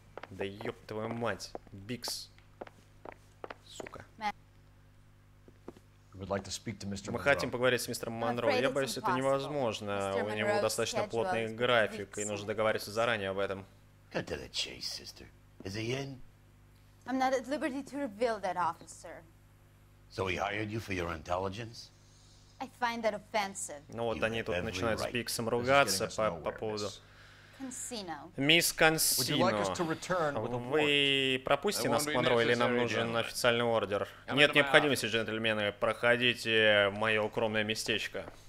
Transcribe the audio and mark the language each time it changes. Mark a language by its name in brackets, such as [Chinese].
[Russian] Да ёб твою мать, Биггс. Мы хотим поговорить с мистером Монро. Я боюсь, это невозможно. У него достаточно плотный график, и нужно договариваться заранее об этом. [English] I'm not at liberty to reveal that, officer. So he hired you for your intelligence? I find that offensive. [Russian] Ну вот они тут начинают с Биксом ругаться по поводу. Мисс Консино, вы пропустите нас к Монро или нам нужен официальный ордер? Нет необходимости, джентльмены, проходите в мое укромное местечко.